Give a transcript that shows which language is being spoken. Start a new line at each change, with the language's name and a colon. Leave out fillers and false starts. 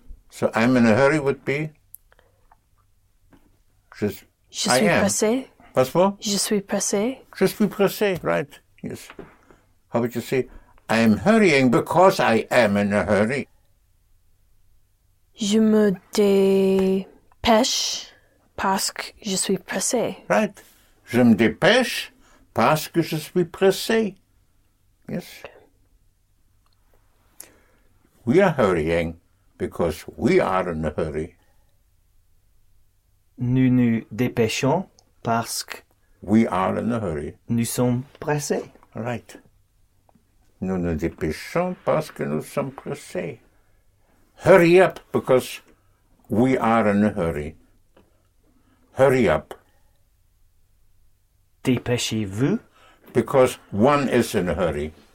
English: So I am in a hurry would be?
French: Je suis pressé.
English: What's more?
French: Je suis pressé,
English: right, yes. How would you say, I am hurrying because I am in a hurry?
French: Je me dépêche parce que je suis pressé.
English: Right.
French: Je me dépêche parce que je suis pressé.
English: Yes. We are hurrying because we are in a hurry.
French: Nous nous dépêchons parce que...
English: We are in a hurry.
French: Nous sommes pressés.
English: Right.
French: Nous nous dépêchons parce que nous sommes pressés.
English: Hurry up, because we are in a hurry. Hurry up.
French: Dépêchez-vous.
English: Because one is in a hurry.